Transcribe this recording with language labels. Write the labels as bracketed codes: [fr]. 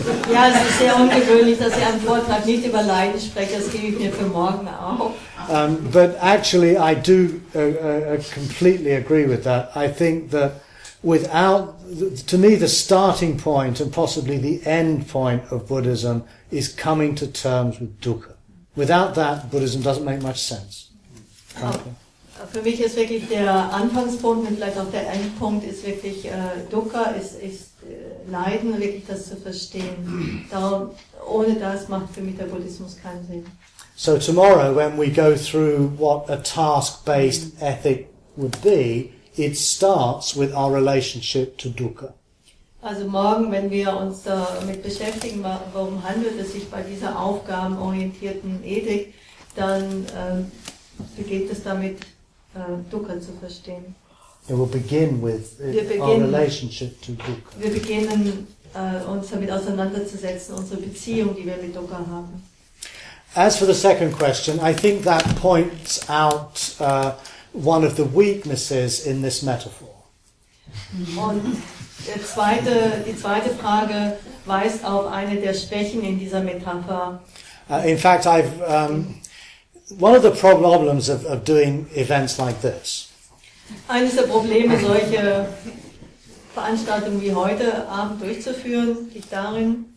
[de] Ja, es ist sehr ungewöhnlich, dass ich einen Vortrag nicht über Leiden spreche. Das gebe ich mir für morgen auf. [en] But actually, I do completely agree with that. I think that to me, the starting point and possibly the end point of Buddhism is coming to terms with dukkha. Without that, Buddhism doesn't make much sense. [de] Für mich ist wirklich der Anfangspunkt und vielleicht auch der Endpunkt ist wirklich dukkha, ist Leiden, wirklich das zu verstehen. Ohne das macht für mich der Buddhismus keinen Sinn. [en] So tomorrow, when we go through what a task-based ethic would be, it starts with our relationship to dukkha. [de] Also morgen, wenn wir uns damit beschäftigen, warum handelt es sich bei dieser aufgabenorientierten Ethik, dann beginnt es damit, dukkha zu verstehen. [en] It will begin with our relationship to dukkha. [de] Wir beginnen uns damit auseinanderzusetzen, unsere Beziehung, die wir mit dukkha haben. [en] As for the second question, I think that points out one of the weaknesses in this metaphor. [de] Und die zweite Frage weist auf eine der Schwächen in dieser Metapher. [en] In fact, one of the problems of doing events like this. [de] Eines der Probleme, solche Veranstaltungen wie heute Abend durchzuführen, liegt darin.